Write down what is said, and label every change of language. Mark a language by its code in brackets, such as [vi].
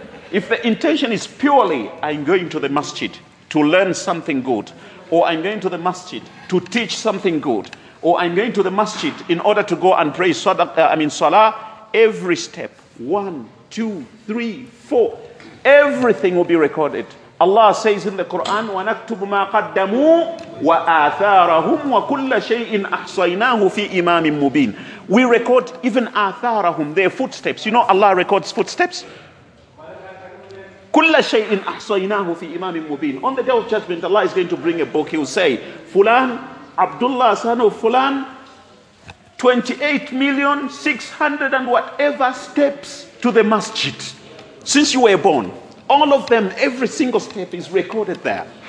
[en] If the intention is purely, I'm going to the masjid to learn something good, or I'm going to the masjid to teach something good, or I'm going to the masjid in order to go and pray salah, every step, 1, 2, 3, 4, everything will be recorded. Allah says in the Quran, [ar] وَنَكْتُبُ مَا قَدَّمُوا وَآثَارَهُمْ وَكُلَّ شَيْءٍ أَحْصَيْنَاهُ فِي إِمَامٍ مُبِينٍ. [en] We record even آثَارَهُمْ, their footsteps. You know Allah records footsteps? [ar] كُلَّ شَيْءٍ أَحْصَيْنَاهُ فِي إِمَامٍ مُبِينٍ. [en] On the day of judgment, Allah is going to bring a book. He will say, Fulan, Abdullah, son of Fulan, 28,600,000 and whatever steps to the masjid since you were born. All of them, every single step is recorded there.